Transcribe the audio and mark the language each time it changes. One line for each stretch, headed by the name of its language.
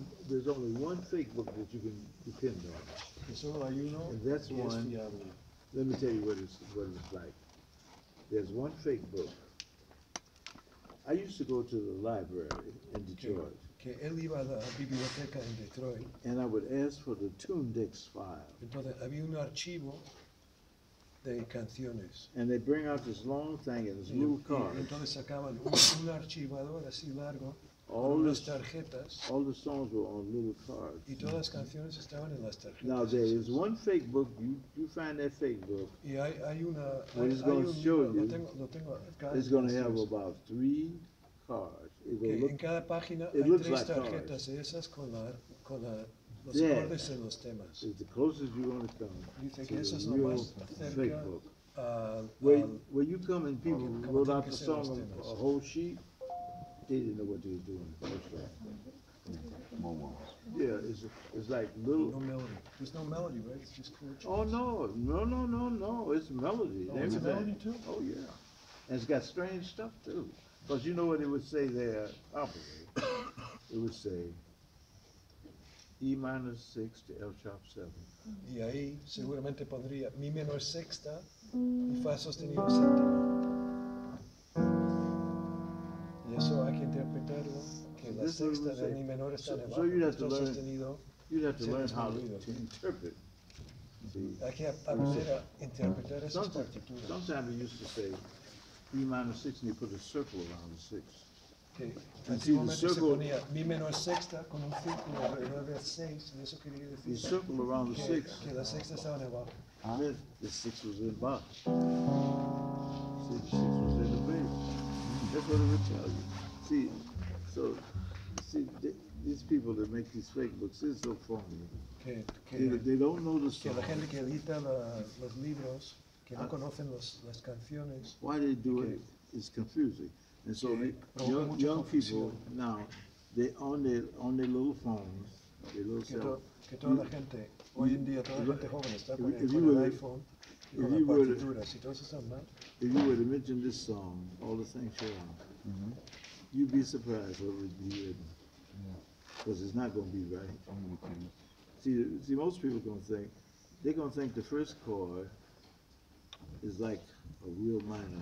English: There's only one fake book that you can depend on.
Spanish: Y solo hay uno que es fiable.
English: Let me tell you what it's like. There's one fake book. I used to go to the library in Detroit.
Spanish: Que él iba a la biblioteca en Detroit.
English: And I would ask for the Toondex file.
Spanish: Entonces, había un archivo de canciones.
English: And they bring out this long thing in this blue card.
Spanish: Entonces sacaban un archivador así largo. All con unas tarjetas.
English: All the songs were on little cards.
Spanish: Y todas las canciones estaban en las tarjetas.
English: Now there is one fake book. You find that fake book.
Spanish: Y hay una.
English: And it's going to show you.
Spanish: Lo tengo.
English: It's going to have about three cards. It will look.
Spanish: En cada página hay tres tarjetas de esas con la los acordes en los temas.
English: It's the closest you're going to come.
Spanish: Dice que esas son más cerca.
English: Where you come and people wrote out the song on a whole sheet. They didn't know what they were doing. Yeah, it's like little. No melody. There's no melody, right? It's just chords. Oh no! It's melody. Oh, it's a melody too. Oh yeah, and it's got strange stuff too. Because you know what it would say there? Probably. It would say E minor 6 to F sharp 7.
Spanish: Y ahí seguramente pondría mi menor sexta y fa sostenido séptimo. Y eso hay que interpretarlo, que la sexta de mi menor está en abajo, entonces sostenido.
English: You'd have to learn how to interpret.
Spanish: Hay que aprender a interpretar esas partituras.
English: Sometimes you used to say E minor 6 and you put a circle around the 6. Okay.
Spanish: Antiguamente se ponía mi menor sexta con un círculo alrededor del 6, y eso quería decir
English: you circle around the six.
Spanish: Que la sexta estaba en abajo.
English: The 6 was in bass. The 6 was in the bass. That's what it would tell you. These people that make these fake books, they're so phony. They don't know the songs.
Spanish: La gente que edita los libros, que no conocen las canciones.
English: Why they do it is confusing. And so young people now, they on their little phones, their little cell.
Spanish: Que toda la gente, hoy en día, toda la gente joven está con el iPhone.
English: If you were to mention this song, all the things show up, you'd be surprised what would be written. Because it's not going to be right. Mm-hmm. See, most people are going to think, they're going to think the first chord is like a real minor.